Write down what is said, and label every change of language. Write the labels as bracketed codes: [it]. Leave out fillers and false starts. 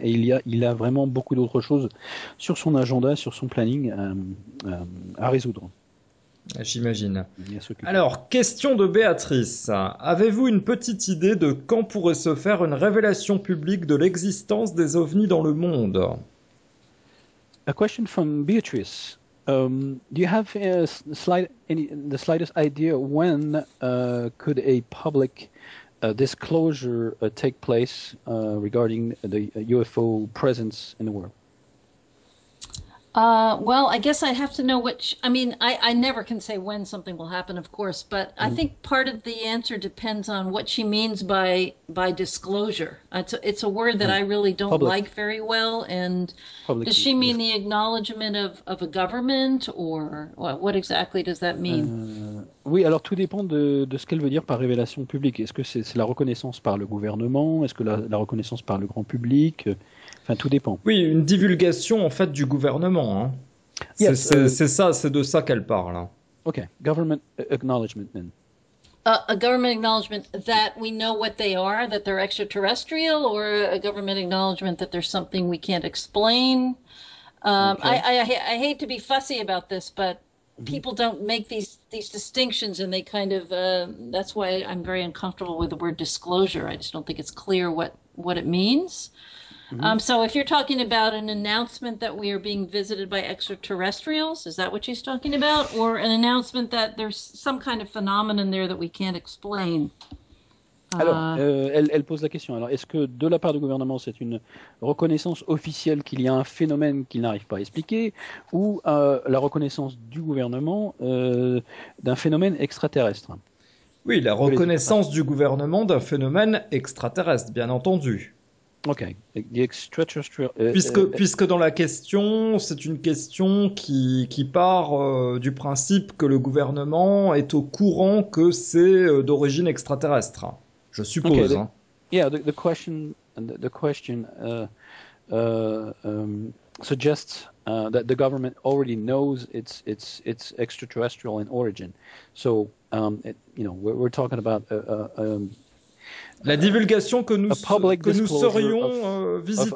[fr] Et il a vraiment beaucoup d'autres choses sur son agenda, sur son planning à résoudre. J'imagine. Alors, question de Béatrice. Avez-vous une petite idée de quand pourrait se faire une révélation publique de l'existence des ovnis dans le monde? [en] A question from Beatrice. Do you have the slightest idea when could a public disclosure take place regarding the UFO presence in the world? Well, I guess I have to know which. I mean, I never can say when something will happen, of course. But I think part of the answer depends on what she means by disclosure. It's a word that I really don't public. Like very well. And public, does she mean yes. the acknowledgement of a government, or what exactly does that mean? [fr] Oui, alors tout dépend de ce qu'elle veut dire par révélation publique. Est-ce que c'est la reconnaissance par le gouvernement? Est-ce que la reconnaissance par le grand public? Enfin, tout dépend. Oui, une divulgation, en fait, du gouvernement. Hein. [en] Yes, [fr] c'est ça, c'est de ça qu'elle parle. Hein. [en] OK. Government acknowledgement, then. A government acknowledgement that we know what they are, that they're extraterrestrial, or a government acknowledgement that there's something we can't explain. Okay. I hate to be fussy about this, but people don't make these distinctions, and they kind of that's why I'm very uncomfortable with the word disclosure. I just don't think it's clear what it means. So if you're talking about an announcement that we are being visited by extraterrestrials, is that what she's talking about? Or an announcement that there's some kind of phenomenon there that we can't explain? [fr] Alors, elle pose la question. Alors, est-ce que de la part du gouvernement, c'est une reconnaissance officielle qu'il y a un phénomène qu'il n'arrive pas à expliquer, ou la reconnaissance du gouvernement d'un phénomène extraterrestre? Oui, la reconnaissance du gouvernement d'un phénomène extraterrestre, bien entendu. Ok. Puisque dans la question, c'est une question qui part du principe que le gouvernement est au courant que c'est d'origine extraterrestre. Je suppose. [en] Okay, the question suggests that the government already knows it's extraterrestrial in origin. So, we're talking about [fr] la divulgation que nous serions visités